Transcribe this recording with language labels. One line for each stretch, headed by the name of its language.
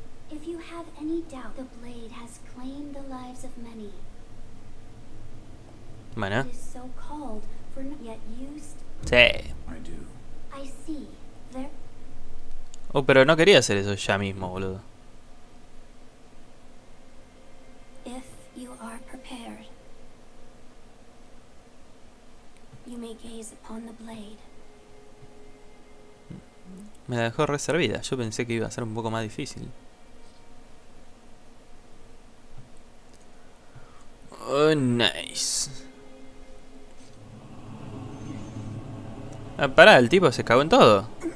English: If you have any doubt, the blade has claimed the lives of many.
Spanish: Bueno.
English: It is so called for not yet used.
Spanish: Sí.
English: I do. I see. There.
Spanish: Oh, pero no quería hacer eso ya mismo, boludo.
English: If you are prepared, you may gaze upon the blade.
Spanish: Me la dejó reservada. Yo pensé que iba a ser un poco más difícil.
English: Oh, nice.
Spanish: Ah, pará, el tipo se cagó en todo.